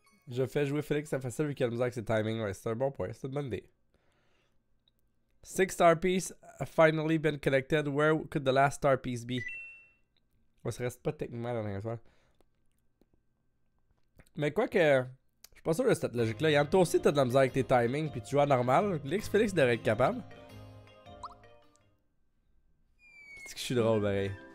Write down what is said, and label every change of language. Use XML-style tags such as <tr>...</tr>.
<fr>Je fais jouer Félix, ça fait ça vu qu'il y a le musique, c'est timing, ouais, c'est un bon point, c'est une bonne idée.</fr> <en>Six star piece have finally been collected, where could the last star piece be?</en> <fr>Ouais, ça reste pas techniquement la dernière fois. Mais quoi que, je suis pas sûr de cette logique-là, Yann, toi aussi t'as de la musique avec tes timings, puis tu joues à normal, Félix devrait être capable. C'est que je suis drôle, pareil.</fr>